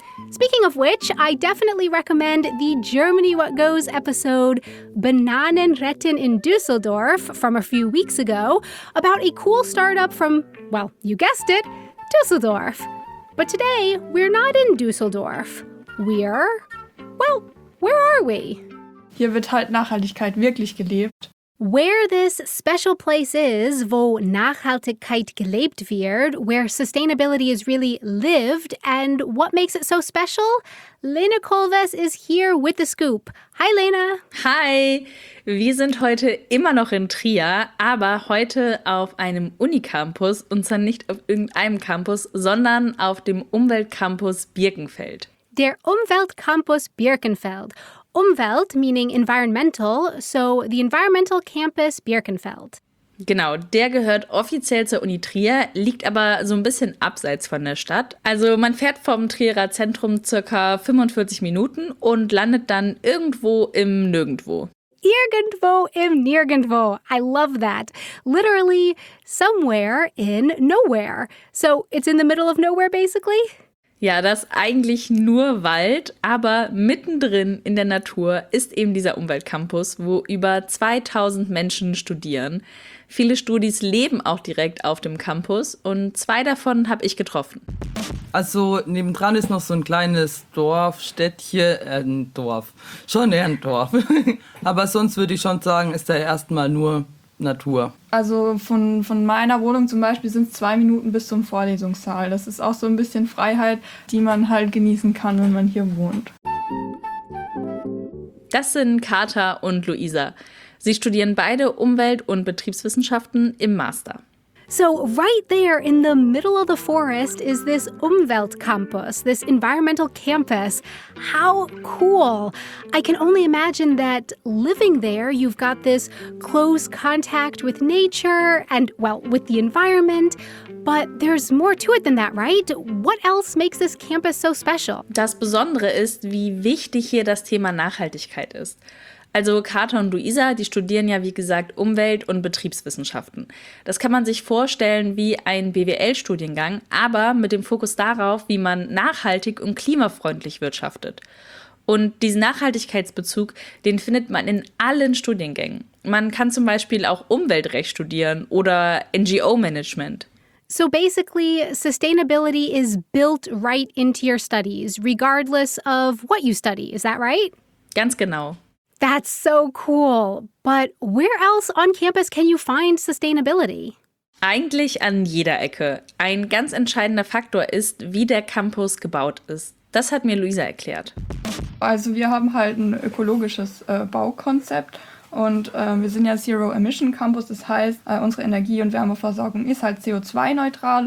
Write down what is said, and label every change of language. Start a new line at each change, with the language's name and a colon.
English: Speaking of which, I definitely recommend the Germany What Goes episode Bananen retten in Düsseldorf from a few weeks ago about a cool startup from, well, you guessed it, Düsseldorf. But today, we're not in Düsseldorf. We're, well, where are we?
German: Hier wird halt Nachhaltigkeit wirklich gelebt.
English: Where this special place is,
German: wo Nachhaltigkeit gelebt wird,
English: where sustainability is really lived, and what makes it so special? Lena Kolves is here with the scoop. Hi, Lena. Hi.
German: Wir sind heute immer noch in Trier, aber heute auf einem Unicampus, und zwar nicht auf irgendeinem Campus, sondern auf dem Umweltcampus Birkenfeld. Der Umweltcampus Birkenfeld.
English: Umwelt meaning environmental, so the environmental campus Birkenfeld.
German: Genau, der gehört offiziell zur Uni Trier, liegt aber so ein bisschen abseits von der Stadt. Also man fährt vom Trierer Zentrum circa 45 Minuten und landet dann irgendwo im Nirgendwo. Irgendwo im Nirgendwo.
English: I love that. Literally somewhere in nowhere. So it's in the middle of nowhere basically?
German: Ja, das ist eigentlich nur Wald, aber mittendrin in der Natur ist eben dieser Umweltcampus, wo über 2000 Menschen studieren. Viele Studis leben auch direkt auf dem Campus und zwei davon habe ich getroffen. Also nebendran ist noch so ein kleines Dorf, Städtchen, ein Dorf, schon eher ein Dorf. Aber sonst würde ich schon sagen, ist da erstmal nur Natur. Also von meiner Wohnung zum Beispiel sind es 2 Minuten bis zum Vorlesungssaal. Das ist auch so ein bisschen Freiheit, die man halt genießen kann, wenn man hier wohnt. Das sind Kata und Luisa. Sie studieren beide Umwelt- und Betriebswissenschaften im Master.
English: So right there in the middle of the forest is this Umweltcampus, this environmental campus. How cool! I can only imagine that living there, you've got this close contact with nature and, well, with the environment. But there's more to it than that, right? What else makes this campus so special?
German: Das Besondere ist, wie wichtig hier das Thema Nachhaltigkeit ist. Also Kata und Luisa, die studieren ja wie gesagt Umwelt- und Betriebswissenschaften. Das kann man sich vorstellen wie ein BWL-Studiengang, aber mit dem Fokus darauf, wie man nachhaltig und klimafreundlich wirtschaftet. Und diesen Nachhaltigkeitsbezug, den findet man in allen Studiengängen. Man kann zum Beispiel auch Umweltrecht studieren oder NGO-Management.
English: So basically, sustainability is built right into your studies, regardless of what you study, is that right?
German: Ganz genau.
English: That's so cool. But where else on campus can you find sustainability?
German: Eigentlich an jeder Ecke. Ein ganz entscheidender Faktor ist, wie der Campus gebaut ist. Das hat mir Luisa erklärt. Also wir haben halt ein ökologisches Baukonzept und wir sind ja Zero Emission Campus. Das heißt, unsere Energie- und Wärmeversorgung ist halt CO2-neutral.